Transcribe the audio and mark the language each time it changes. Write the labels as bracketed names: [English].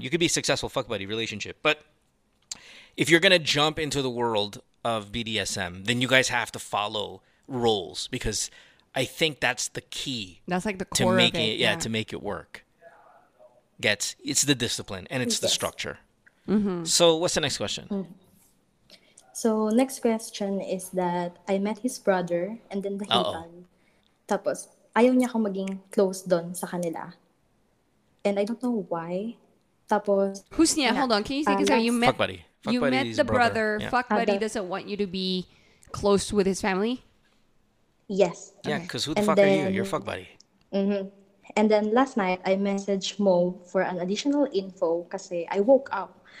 [English] You could be a successful fuck buddy relationship. But if you're going to jump into the world of BDSM, then you guys have to follow roles because I think that's the key. That's like the core of it. To make it work. It's the discipline and it's the structure. Mm-hmm. So what's the next question? So next question is that I met his brother and then the hitan. [Filipino] Tapos ayaw niya akong maging close doon sa kanila. [English] And I don't know why. [Filipino] Tapos [English] who's niya? Hold on. Can you say because you met... Fuck buddy. You met the brother. Yeah. Fuck buddy doesn't want you to be close with his family? Yes. Yeah, because who the fuck are you? You're fuck buddy. Mm-hmm. And then last night, I messaged Mo for an additional info kasi I woke up.